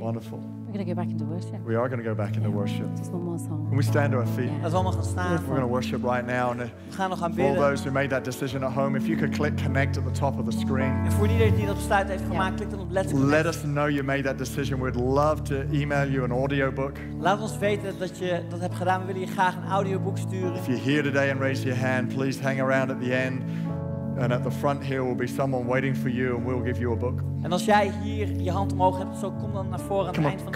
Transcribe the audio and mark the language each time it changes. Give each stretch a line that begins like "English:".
English: Wonderful. We're going to go back into worship. We are going to go back into worship. Just one more song. Can we stand to our feet? Yeah. We're going to worship right now. And for all those who made that decision at home, if you could click connect at the top of the screen. Let us know you made that decision. We'd love to email you an audiobook.
Dutch: Laat ons weten dat je dat hebt gedaan. We willen je graag een audiobook sturen.
English: If you're here today and raise your hand, please hang around at the end. And at the front here will be someone waiting for you, and we'll give you a book.
Dutch: En als jij hier je hand omhoog hebt, zo kom dan naar voren aan het eind van de kerk.